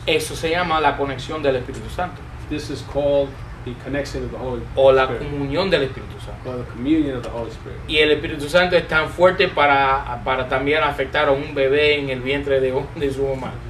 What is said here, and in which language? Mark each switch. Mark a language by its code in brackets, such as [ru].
[es] Eso se llama la conexión del Espíritu Santo. [en] This is called the connection of the Holy Spirit. [es] O la comunión del Espíritu Santo. [en] Or the communion of the Holy Spirit. [es] Y el Espíritu Santo es tan fuerte para también afectar a un bebé en el vientre de su mamá.